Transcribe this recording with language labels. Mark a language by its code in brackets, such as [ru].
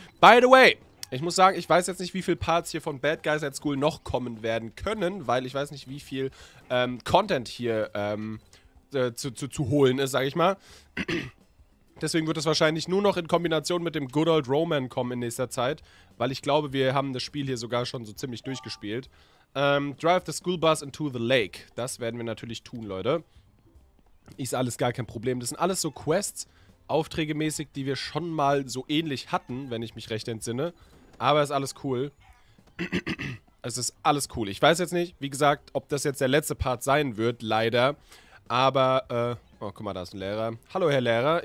[de] By the way, ich muss sagen, ich weiß jetzt nicht, wie viele Parts hier von Bad Guys at School noch kommen werden können, weil ich weiß nicht, wie viel Content hier zu holen ist, sage ich mal. Deswegen wird es wahrscheinlich nur noch in Kombination mit dem Good Old Roman kommen in nächster Zeit, weil ich glaube, wir haben das Spiel hier sogar schon so ziemlich durchgespielt. [en] Drive the school bus into the lake. [de] Das werden wir natürlich tun, Leute. Ist alles gar kein Problem. Das sind alles so Quests, aufträgemäßig, die wir schon mal so ähnlich hatten, wenn ich mich recht entsinne. Aber ist alles cool. Es ist alles cool. Ich weiß jetzt nicht, wie gesagt, ob das jetzt der letzte Part sein wird, leider. Aber, Oh, guck mal, da ist ein Lehrer. Hallo, Herr Lehrer.